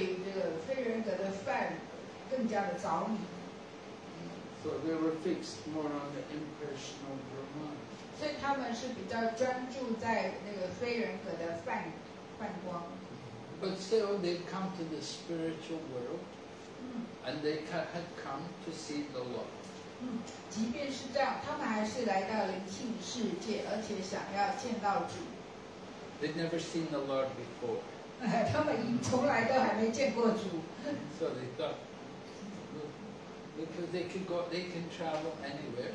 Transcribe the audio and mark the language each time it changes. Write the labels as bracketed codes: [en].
[zh] 所以四个古玛尔在这个阶段还是更加的对这个非人格的范更加的着迷。 [en] So they were fixed more on the impersonal Brahman. [zh] 所以他们是比较专注在那个非人格的泛光。 [en] But still, they come to the spiritual world. and they had come to see the Lord. [zh] 即便是这样，他们还是来到灵性世界，而且想要见到主。 [en] They'd never seen the Lord before. [zh] 他们从来都还没见过主。 [en] So they thought, because they can go, they can travel anywhere.